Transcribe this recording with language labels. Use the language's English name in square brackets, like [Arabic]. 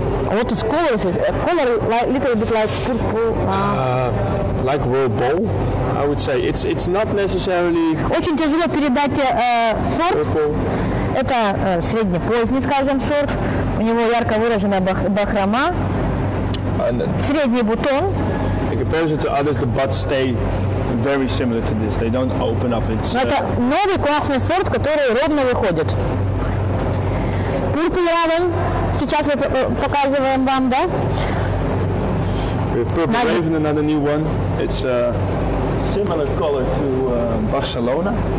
[Russian] Вот этот [English] color, color like, little bit like purple. Like World Bowl, I would say. It's not necessarily... [Russian] Очень тяжело передать сорт. Это средне-поздний, скажем, сорт. У него ярко выраженная бахрома. Средний бутон. [English] In comparison to others, the buds stay very similar to this. They don't open up. It's, [Russian] Это новый классный сорт, который ровно выходит. [English] Purple Raven. [Russian] Сейчас мы показываем вам, да? [English] Purple Raven, Raven, another new one. It's a similar color to Barcelona.